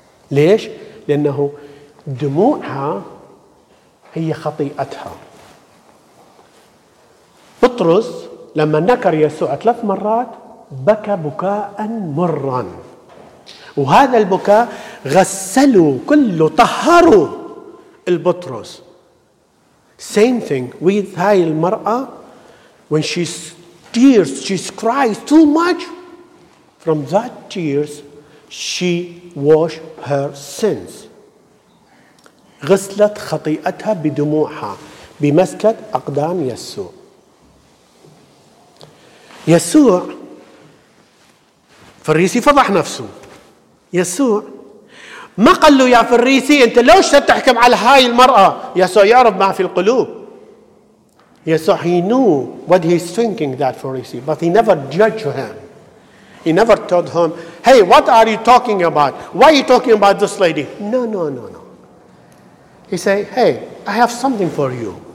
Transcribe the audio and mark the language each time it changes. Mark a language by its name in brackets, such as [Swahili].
[Arabic] ليش؟ لأنه دموعها هي خطيئتها. بطرس لما نكر يسوع 3 مرات بكى بكاء مرا وهذا البكاء غسلوا كله طهروا البطرس. [English] same thing with [Arabic] هاي المرأة [English] when she's tears, she cries too much. From that tears, she washed her sins. [Arabic] غسلت خطيئتها بدموعها بمسكة أقدام يسوع. يسوع فريسي فضح نفسه. يسوع ما قال له يا فريسي أنت ليش تحكم على هاي المرأة؟ يسوع يعرف ما في القلوب. [English] Yes, so he knew what he's thinking, that Pharisee, but he never judged him. He never told him, hey, what are you talking about? Why are you talking about this lady? No, no, no, no. He said, hey, I have something for you.